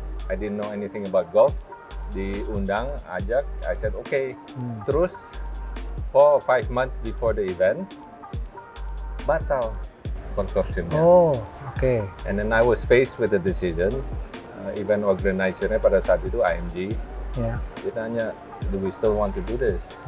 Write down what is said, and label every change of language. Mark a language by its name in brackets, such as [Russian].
[English] I didn't know anything about golf. [Indonesian] Diundang, ajak, [English] I said okay. [Indonesian] Terus [English] 4 or 5 months before the event, [Indonesian] batal konsorsiumnya. [English] And then I was faced with a decision. [Indonesian] Event organizer-nya pada saat itu IMG. Dia tanya, [English] do we still want to do this?